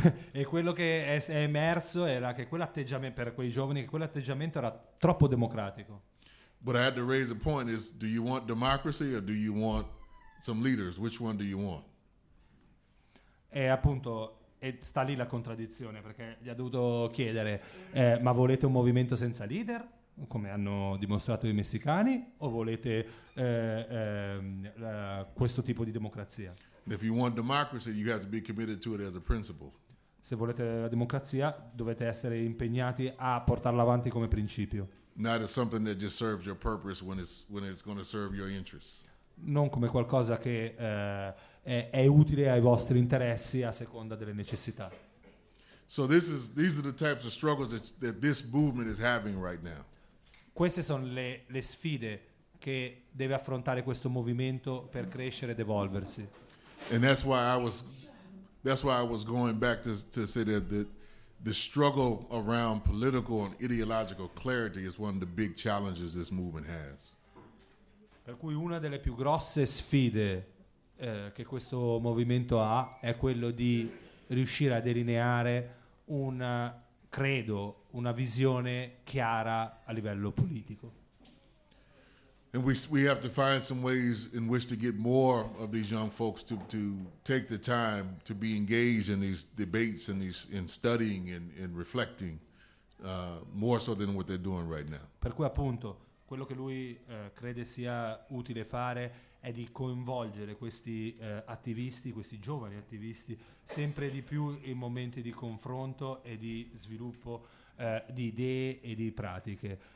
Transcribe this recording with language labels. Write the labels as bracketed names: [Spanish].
[Italian] E quello che è emerso era che quell'atteggiamento per quei giovani, che quell'atteggiamento era troppo democratico. [English] But I had to raise a point: is do you want democracy or do you want some leaders? Which one do you want? [Italian] E appunto. E sta lì la contraddizione, perché gli ha dovuto chiedere ma volete un movimento senza leader, come hanno dimostrato i messicani, o volete questo tipo di democrazia? [English] If you want democracy, you have to be committed to it as a principle. [Italian] Se volete la democrazia, dovete essere impegnati a portarla avanti come principio. [English] Not as something that just serves your purpose when it's going to serve your interests. [Italian] Non come qualcosa che è utile ai vostri interessi a seconda delle necessità. [English] So these are the types of struggles that this movement is having right now. [Italian] Queste sono le sfide che deve affrontare questo movimento per crescere ed evolversi. [English] And that's why I was going back to say that the struggle around political and ideological clarity is one of the big challenges this movement has. [Italian] Per cui una delle più grosse sfide che questo movimento ha è quello di riuscire a delineare un credo, una visione chiara a livello politico. [English] And we have to find some ways in which to get more of these young folks to take the time to be engaged in these debates and these in studying and reflecting more so than what they're doing right now. [Italian] Per cui appunto quello che lui crede sia utile fare è di coinvolgere questi attivisti, questi giovani attivisti, sempre di più in momenti di confronto e di sviluppo di idee e di pratiche.